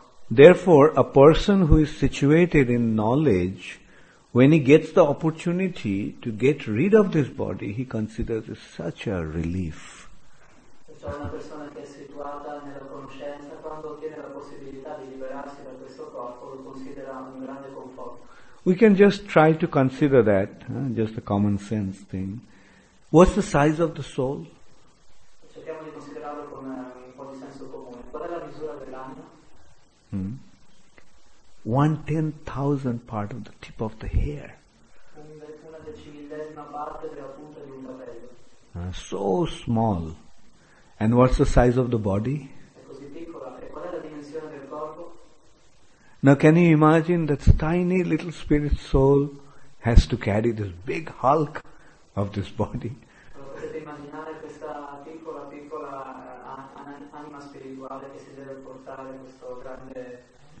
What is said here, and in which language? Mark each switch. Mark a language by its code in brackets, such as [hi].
[en] Therefore, a person who is situated in knowledge, when he gets the opportunity to get rid of this body, he considers it such a relief. [it] Una persona che è situata nella conoscenza, quando ottiene la possibilità di liberarsi da questo corpo, lo considera un grande conforto. [en] We can just try to consider that, just a common sense thing. What's the size of the soul? [it] Cerchiamo di considerarlo con un po' di senso comune. Qual è la misura dell'anima? [en] One 10,000th part of the tip of the hair. [it] Una decimillesima parte della punta di un capello. [en] So small. And what's the size of the body? [it] È così piccola. E qual è la dimensione del corpo? [en] Now can you imagine that tiny little spirit soul has to carry this big hulk of this body? [it] Potete immaginare questa piccola, piccola anima spirituale che si deve portare questo grande...